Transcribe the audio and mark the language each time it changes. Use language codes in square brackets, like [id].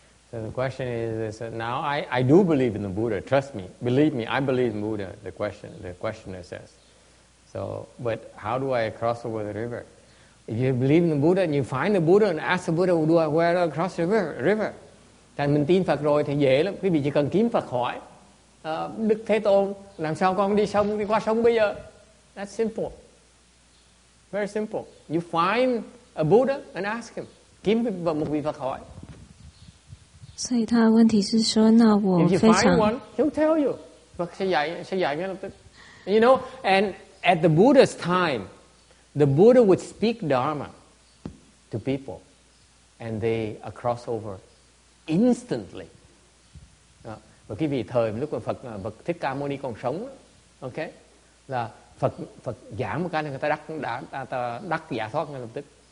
[en] So the question is now I do believe in the Buddha. Trust me, believe me, I believe in Buddha. The questioner says. So, but how do I cross over the river? If you believe in the Buddha and you find the Buddha and ask the Buddha, where do I cross the river? [vi] Thì mình tin Phật rồi thì dễ lắm. Quý vị chỉ cần kiếm Phật hỏi Đức Thế Tôn, làm sao con đi sông, đi qua sông bây giờ? [en] That's simple. Very simple. You find a Buddha and ask him. [vi] Kiếm một vị Phật hỏi. [zh] 所以他的问题是说，那我非常。If [en] you find one, he'll tell you. But she'll you know, and at the Buddha's time, the Buddha would speak Dharma to people, and they cross over instantly. [vi] Và cái vị thời lúc mà Phật Thích Ca Mâu Ni còn sống, okay, là Phật giảng một cái là người ta đắc giả thoát ngay lập tức.